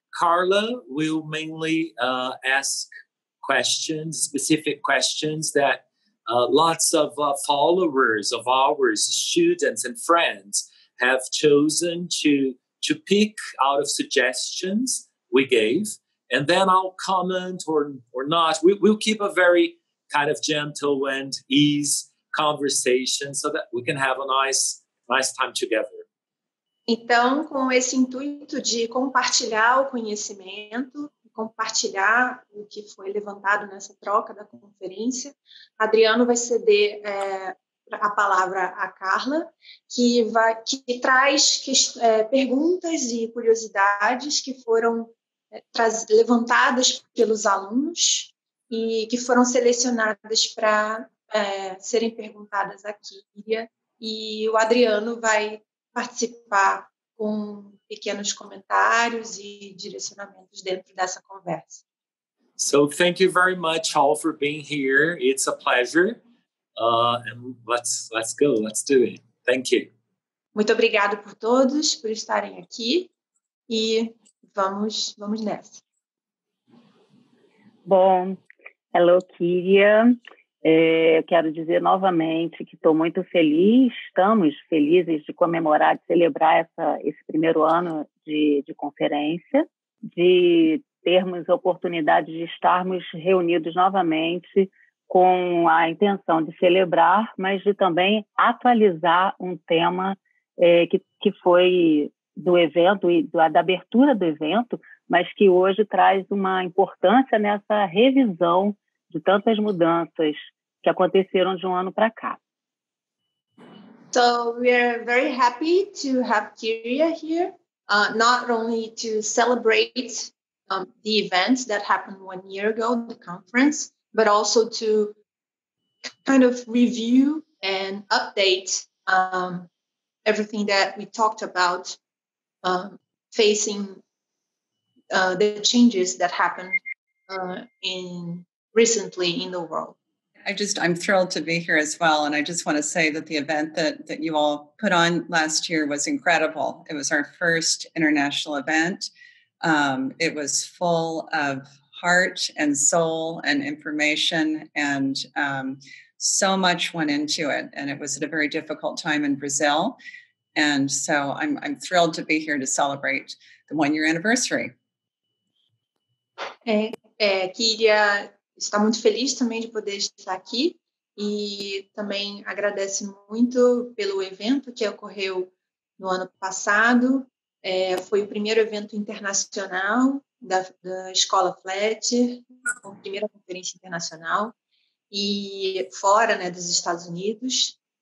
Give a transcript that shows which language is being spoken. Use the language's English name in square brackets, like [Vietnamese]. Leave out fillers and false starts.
[English] Carla will mainly ask questions, specific questions that lots of followers of ours, students and friends, have chosen to pick out of suggestions we gave. And then I'll comment or not. We'll keep a very kind of gentle and ease conversation so that we can have a nice time together. [Portuguese] Então, com esse intuito de compartilhar o conhecimento, compartilhar o que foi levantado nessa troca da conferência, Adriano vai ceder a palavra à Carla, que traz perguntas e curiosidades que foram levantadas pelos alunos e que foram selecionadas para serem perguntadas à Kyria. E o Adriano vai participar com pequenos comentários e direcionamentos dentro dessa conversa. [English] So, thank you very much all for being here. It's a pleasure. And let's go, let's do it. Thank you. [Portuguese] Muito obrigado por todos por estarem aqui e vamos nessa. Bom, hello, Kyria. Eu quero dizer novamente que estou muito feliz, estamos felizes de comemorar, de celebrar esse primeiro ano de conferência, de termos a oportunidade de estarmos reunidos novamente com a intenção de celebrar, mas de também atualizar um tema que foi do evento, da abertura do evento, mas que hoje traz uma importância nessa revisão de tantas mudanças que aconteceram de um ano para cá. [English] So we are very happy to have Kyria here, not only to celebrate the events that happened 1 year ago, the conference, but also to kind of review and update everything that we talked about facing the changes that happened recently in the world. I'm thrilled to be here as well. And I just want to say that the event that you all put on last year was incredible. It was our first international event. It was full of heart and soul and information, and so much went into it. And it was at a very difficult time in Brazil. And so I'm thrilled to be here to celebrate the 1 year anniversary. [Portuguese] Kiria está muito feliz também de poder estar aqui e também agradece muito pelo evento que ocorreu no ano passado. Foi o primeiro evento internacional da Escola Fletcher, a primeira conferência internacional, e fora, né, dos Estados Unidos.